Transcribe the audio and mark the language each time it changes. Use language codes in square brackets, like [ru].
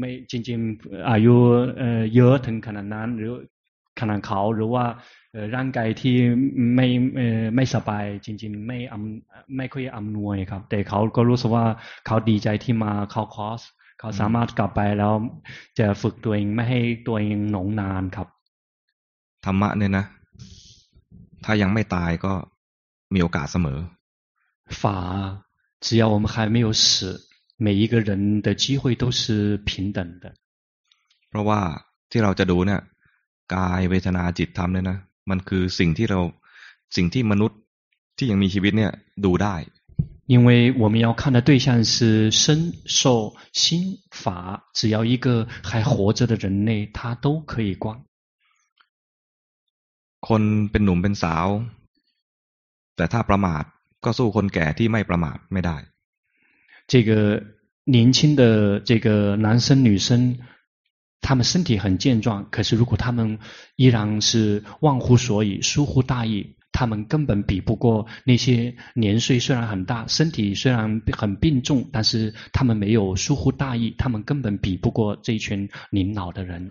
[th] จริงๆอายุเยอะถึงขนาดนั้นหรือขนาดเขาหรือว่าร่างกายที่ไม่สบายจริงๆไม่ค่อยอำนวยครับแต่เขาก็รู้สึกว่าเขาดีใจที่มาเข้าคอร์สเขาสามารถกลับไปแล้วจะฝึกตัวเองไม่ให้ตัวเองหนองนานครับ ธรรมะเนี่ยนะถ้ายังไม่ตายก็มีโอกาสเสมอ [zh] 法只要我们还没有死每一个人的机会都是平等的 [th] เพราะว่าที่เราจะดูเนี่ยกายเวทนาจิตธรรมเนี่ยนะมันคือสิ่งที่มนุษย์ที่ยังมีชีวิตเนี่ยดูได้ [zh] 因为我们要看的对象是身受心法只要一个还活着的人类他都可以观 [th] คนเป็นหนุ่มเป็นสาวแต่ถ้าประมาทก็สู้คนแก่ที่ไม่ประมาทไม่ได้ [zh] 这个年轻的这个男生女生他们身体很健壮可是如果他们依然是忘乎所以疏忽大意他们根本比不过那些年岁虽然很大身体虽然很病重但是他们没有疏忽大意他们根本比不过这一群年老的人